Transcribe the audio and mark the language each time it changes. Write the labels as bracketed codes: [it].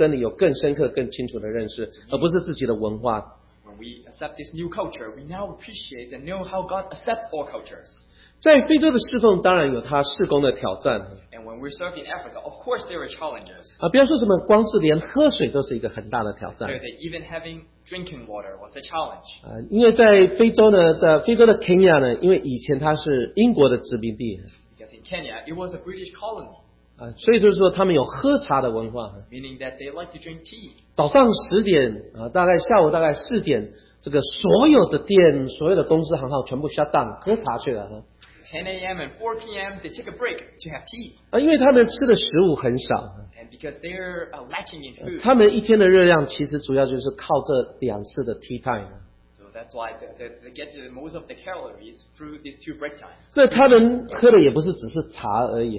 [zh] 那所以就是说，幻化宣教的好处呢，就是说神可以让我们对永恒的真理有更深刻、更清楚的认识，而不是自己的文化。 [en] We accept this new culture. We now appreciate and know how God accepts all cultures. [zh] 在非洲的侍奉当然有他侍工的挑战。 [en] And when we're serving Africa, of course there are challenges. [zh] 不要说什么，光是连喝水都是一个很大的挑战。 [en] So that even having drinking water was a challenge. [zh] 因为在非洲呢，在非洲的Kenya呢，因为以前它是英国的殖民地。 [en] Because in Kenya, it was a British colony. [zh] 所以就是说他们有喝茶的文化。 [en] Meaning that they like to drink tea. [zh] 早上10点，大概下午大概4点。这个所有的店，所有的公司行号全部 shut down，喝茶去了。10 [en] a.m. and 4 p.m. they take a break to have tea. [zh] 因为他们吃的食物很少。 [en] And because they're lacking in food. [zh] 他们一天的热量其实主要就是靠这两次的 tea time. [en] So that's why they get most of the calories through these two break times. [zh] 那他们喝的也不是只是茶而已。